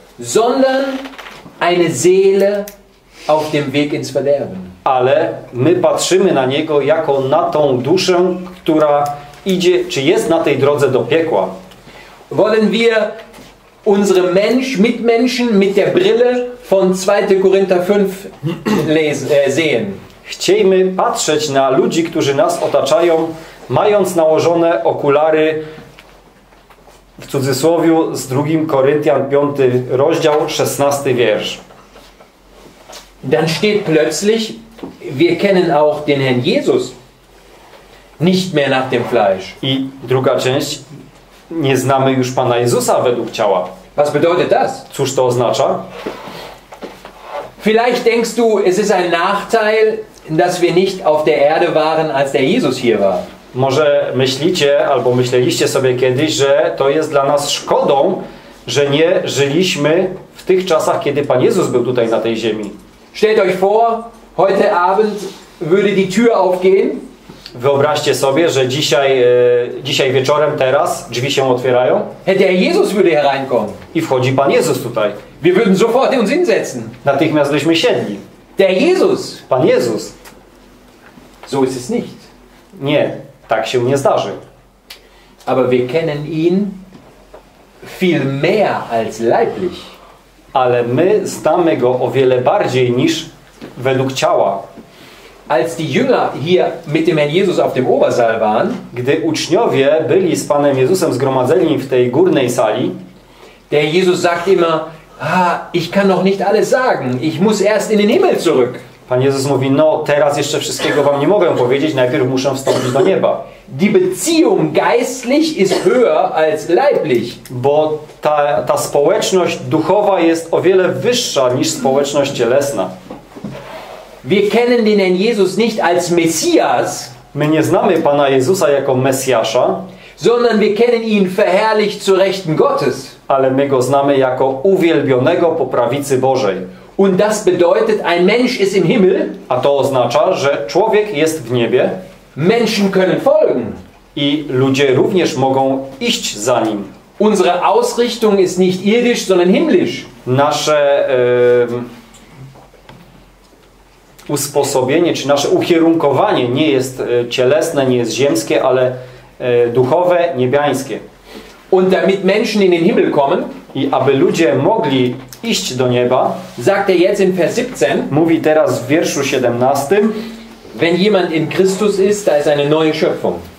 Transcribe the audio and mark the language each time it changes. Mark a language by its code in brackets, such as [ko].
[de] Sondern eine Seele auf dem Weg ins Verderben. [pl] Ale my patrzymy na niego jako na tą duszę, która idzie, czy jest na tej drodze do piekła. [de] Wollen wir unsere Mensch mit Menschen mit der Brille von 2. Korinther 5 sehen. [pl] Chciejmy patrzeć na ludzi, którzy nas otaczają, mając nałożone okulary, w cudzysłowie, z 2 Koryntian 5 rozdział 16 wiersz. [de] Dann steht plötzlich: wir kennen auch den Herrn Jesus nicht mehr nach dem Fleisch. [pl] I druga część: nie znamy już Pana Jezusa według ciała. [de] Was bedeutet das? [pl] Cóż to oznacza? [de] Vielleicht denkst du, es ist ein Nachteil, dass wir nicht auf der Erde waren, als der Jesus hier war. [pl] Może myślicie, albo myśleliście sobie kiedyś, że to jest dla nas szkodą, że nie żyliśmy w tych czasach, kiedy Pan Jezus był tutaj na tej ziemi. [de] Stellt euch vor, heute Abend würde die Tür aufgehen. [pl] Wyobraźcie sobie, że dzisiaj wieczorem, teraz, drzwi się otwierają. [de] Der Jesus würde hereinkommen. [pl] I wchodzi Pan Jezus tutaj. [de] Wir würden sofort uns hinsetzen. [pl] Natychmiast byśmy siedli. [de] Der Jesus. [pl] Pan Jezus. [de] So ist es nicht. [pl] Nie, tak się nie zdarzy. [de] Aber wir kennen ihn viel mehr als leiblich. [pl] Ale my znamy go o wiele bardziej niż według ciała. [de] Als die Jünger hier mit dem Herrn Jesus auf dem Obersaal waren, [pl] gdy uczniowie byli z Panem Jezusem zgromadzeni w tej górnej sali, [de] der Jesus sagt immer: "Ah, ich kann noch nicht alles sagen. Ich muss erst in den Himmel zurück." [pl] Pan Jezus mówi: "No, teraz jeszcze wszystkiego wam nie mogę powiedzieć. Najpierw muszę wstąpić do nieba." [de] Die Beziehung geistlich ist höher als leiblich. [pl] Bo ta społeczność duchowa jest o wiele wyższa niż społeczność cielesna. [de] Wir kennen den Herrn Jesus nicht als Messias. [pl] My nie znamy Pana Jezusa jako Mesjasza. [de] Sondern wir kennen ihn verherrlicht zu Rechten Gottes. [pl] Ale my go znamy jako uwielbionego po prawicy Bożej. [de] Und das bedeutet, ein Mensch ist im Himmel. [pl] A to oznacza, że człowiek jest w niebie. [de] Menschen können folgen. [pl] I ludzie również mogą iść za nim. [de] Unsere Ausrichtung ist nicht irdisch, sondern himmlisch. [pl] Nasze usposobienie, czy nasze ukierunkowanie nie jest cielesne, nie jest ziemskie, ale duchowe, niebiańskie. [de] Und damit Menschen in den Himmel kommen, [pl] i aby ludzie mogli iść do nieba, [de] sagt er jetzt in Vers 17, [pl] mówi teraz w wierszu 17, [de] wenn jemand in Christus ist, da ist eine neue Schöpfung.